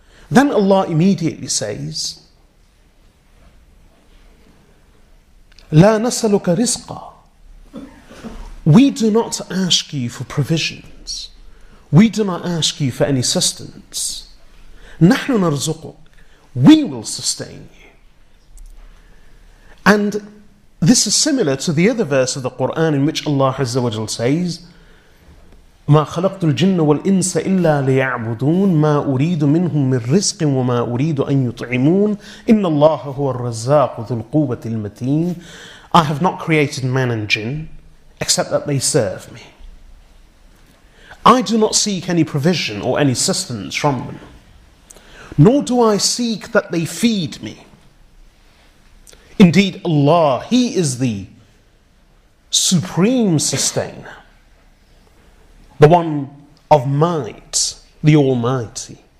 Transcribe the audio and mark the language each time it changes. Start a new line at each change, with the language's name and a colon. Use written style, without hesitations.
English: Then Allah immediately says,
Arabic: لا نسألك رزقا.
English: We do not ask you for provisions. We do not ask you for any sustenance.
Arabic: نحن نرزقك.
English: We will sustain you. And this is similar to the other verse of the Quran in which Allah Azza wa Jal says,
Arabic: ما خلقت الجن والإنس إلا ليعبدون ما أريد منهم من رزق وما أريد أن يطعمون إن الله هو الرزاق ذو القوة المتين.
English: I have not created man and jinn except that they serve me. I do not seek any provision or any sustenance from them, nor do I seek that they feed me. Indeed, Allah, He is the supreme sustainer, the one of might, the Almighty.